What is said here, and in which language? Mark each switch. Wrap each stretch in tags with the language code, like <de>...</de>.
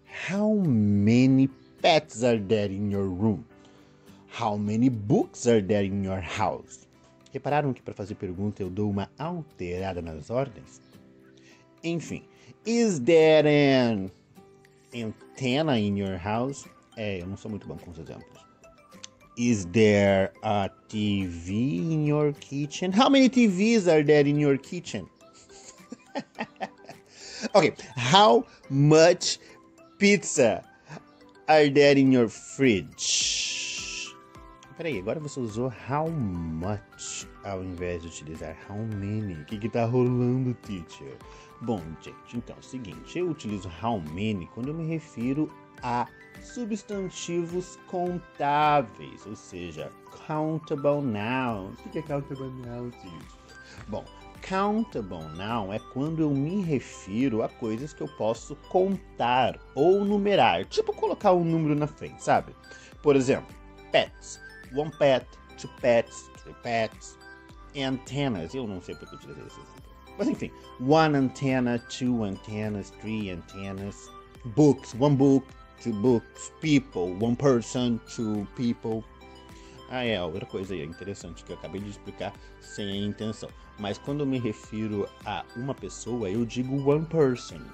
<en>How many pets are there in your room? How many books are there in your house?</en> <pt>Repararam que para fazer pergunta eu dou uma alterada nas ordens?</pt> <en>Enfim, is there an antenna in your house?</en> <pt>É, eu não sou muito bom com os exemplos.</pt> <en>Is there a TV in your kitchen? How many TVs are there in your kitchen? Ok, how much pizza are there in your fridge?</en> <pt>Peraí, agora você usou how much ao invés de utilizar how many. O que que tá rolando, teacher? Bom, gente, então é o seguinte. Eu utilizo how many quando eu me refiro a substantivos contáveis, ou seja, countable nouns. O que é countable nouns, teacher? Bom, countable noun é quando eu me refiro a coisas que eu posso contar ou numerar. Tipo colocar um número na frente, sabe? Por exemplo, pets.</pt> <en>One pet, two pets, three pets, antennas.</en> <pt>Eu não sei porque eu utilizei esse exemplo. Mas enfim,</pt> <en>one antenna, two antennas, three antennas, books, one book, two books, people, one person, two people.</en> <pt>Ah, é, outra coisa aí interessante que eu acabei de explicar sem a intenção. Mas quando eu me refiro a uma pessoa, eu digo</pt> <en>one person.</en>